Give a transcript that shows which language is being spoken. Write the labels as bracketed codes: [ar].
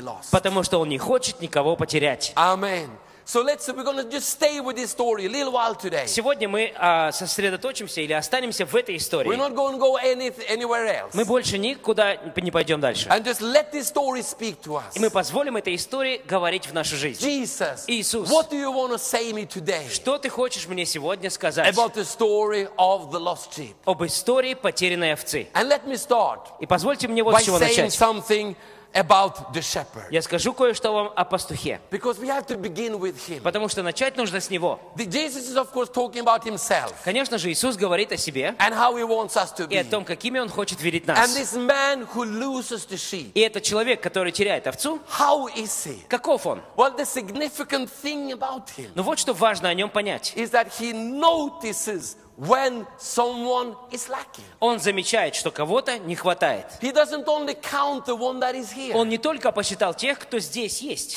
[ru] Потому что Он не хочет никого потерять. Аминь. [en] So let's we're going to just stay with this story a little while today. [ru] Сегодня мы сосредоточимся или останемся в этой истории. [en] We're not going to go anywhere else. [ru] Мы больше никуда не пойдем дальше. [en] And just let this story speak to us. [ru] И мы позволим этой истории говорить в нашу жизнь. [en] Jesus. [ru] Иисус. [en] What do you want to say me today? [ru] Что ты хочешь мне сегодня сказать? [en] About the story of the lost sheep. [ru] Об истории потерянной овцы. [en] And let me start. [ru] И позвольте мне вот с чего начать. [en] By saying something about the shepherd. [ru] Я скажу кое-что вам о пастухе. [en] Because we have to begin with him. [ru] Потому что начать нужно с него. [en] Jesus is of course talking about himself. [ru] Конечно же, Иисус говорит о себе. [en] And how he wants us to be. [ru] И о том, какими он хочет видеть нас. [en] And this man who loses the sheep. [ru] И этот человек, который теряет овцу. [en] How is he? [ru] Каков он? [en] Well, the significant thing about him. [ru] Но вот что важно о нем понять. [en] Is that he notices when someone is lacking. [ru] Он замечает, что кого-то не хватает. [en] He doesn't only count the one that is here. [ru] Он не только посчитал тех, кто здесь есть.